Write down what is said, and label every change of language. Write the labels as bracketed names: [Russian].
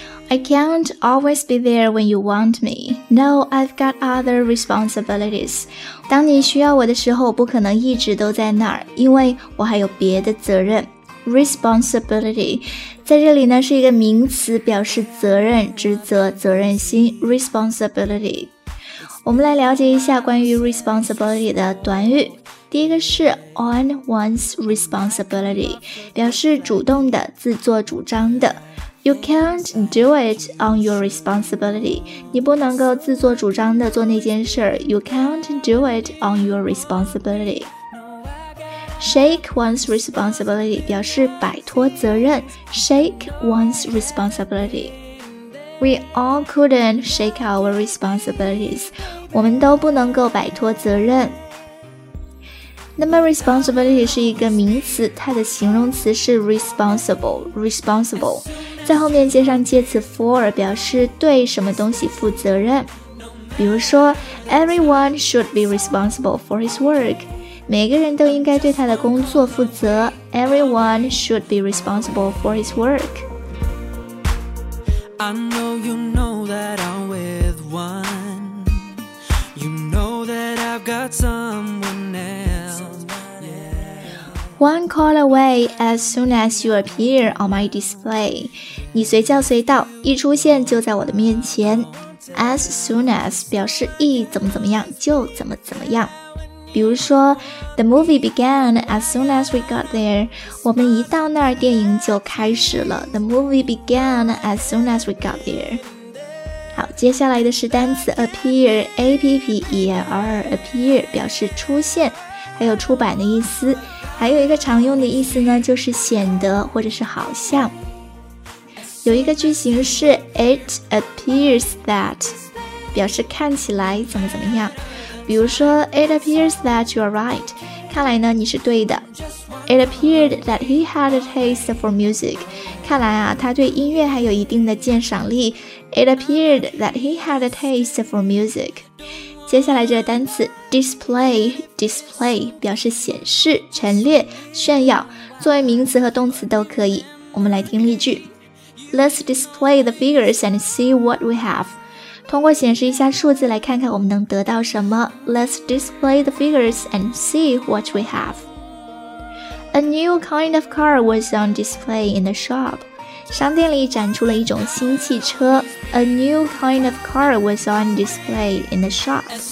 [English] I can't always be there when you want me. No, I've got other responsibilities. [Chinese] 当你需要我的时候，不可能一直都在那儿，因为我还有别的责任。 Responsibility 在这里呢是一个名词，表示责任、职责、责任心。 Responsibility 我们来了解一下关于 responsibility 的短语。第一个是 on one's responsibility， 表示主动的、自作主张的。 [English] You can't do it on your responsibility. [Chinese] 你不能够自作主张的做那件事。 [English] You can't do it on your responsibility. Shake one's responsibility [Chinese] 表示摆脱责任。 [English] Shake one's responsibility. We all couldn't shake our responsibilities. [Chinese] 我们都不能够摆脱责任。那么 responsibility 是一个名词，它的形容词是 responsible。在后面接上介词 for 表示对什么东西负责任，比如说 [English] Everyone should be responsible for his work， [Chinese] 每个人都应该对他的工作负责。 [English] Everyone should be responsible for his work。 I know you know that I'm with one， You know that I've got someone else。 One call away as soon as you appear on my display， [Chinese] 你随叫随到，一出现就在我的面前。 [English] As soon as [Chinese] 表示一怎么怎么样就怎么怎么样，比如说 [English] The movie began as soon as we got there， [Chinese] 我们一到那儿电影就开始了。 [English] The movie began as soon as we got there。 [Chinese] 好，接下来的是单词 appear， A-P-P-E-R appear 表示出现，还有出版的意思。还有一个常用的意思呢，就是显得或者是好像。有一个句型是 It appears that，表示看起来怎么怎么样。比如说 [English] It appears that you are right， [Chinese] 看来呢你是对的。 [English] It appeared that he had a taste for music， [Chinese] 看来啊他对音乐还有一定的鉴赏力。 [English] It appeared that he had a taste for music。 [Chinese] 接下来这个单词 display 表示显示、陈列、炫耀，作为名词和动词都可以。我们来听例句。 [English] Let's display the figures and see what we have. [Chinese] 通过显示一下数字来看看我们能得到什么。 [English] Let's display the figures and see what we have. A new kind of car was on display in the shop. [Chinese] 商店里展出了一种新汽车。 [English] A new kind of car was on display in the shop.